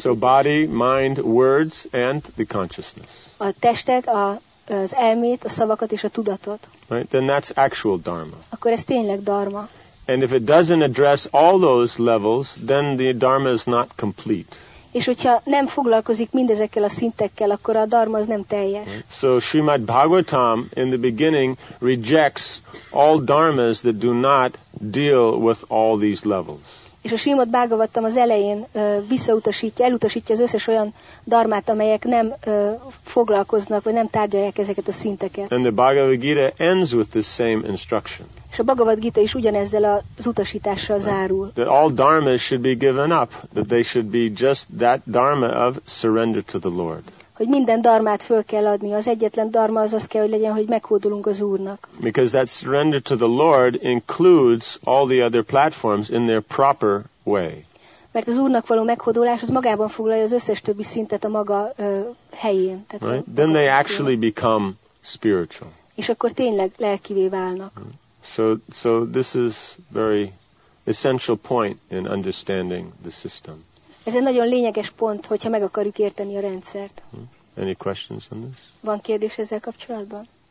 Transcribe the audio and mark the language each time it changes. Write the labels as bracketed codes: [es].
[en] So body, mind, words and the consciousness. [hu] A testet, az elmét, a szavakat és a tudatot. [en] Right? Then that's actual dharma. [hu] Akkor ez tényleg dharma. [en] And if it doesn't address all those levels, then the dharma is not complete. [hu] És hogyha nem foglalkozik mindezekkel a szintekkel, akkor a dharma az nem teljes. [en] Right? So Srimad Bhagavatam in the beginning rejects all dharmas that do not deal with all these levels. [hu] És a Srimad Bhagavatam az elején elutasítja az összes olyan dharmát, amelyek nem foglalkoznak, vagy nem tárgyalják ezeket a szinteket. [en] And the Bhagavad Gita ends with the same instruction. [hu] És a Bhagavad Gita is ugyanezzel az utasítással zárul. [en] That all dharmas should be given up, that they should be just that dharma of surrender to the Lord. [hu] Hogy minden dharmát föl kell adni, az egyetlen dharma az kell, hogy legyen, hogy meghódolunk az Úrnak. [en] Because that surrender to the Lord includes all the other platforms in their proper way. [hu] Mert az Úrnak való meghódolás az magában foglalja az összes többi szintet a maga helyén. [en] Right? Then they actually become spiritual. [hu] és akkor tényleg lelkivé válnak. [en] So this is very essential point in understanding the system. [hu] Ez egy nagyon lényeges pont, hogyha meg akarjuk érteni a rendszert. [en] Any questions on this? [hu] Van kérdés ezzel kapcsolatban?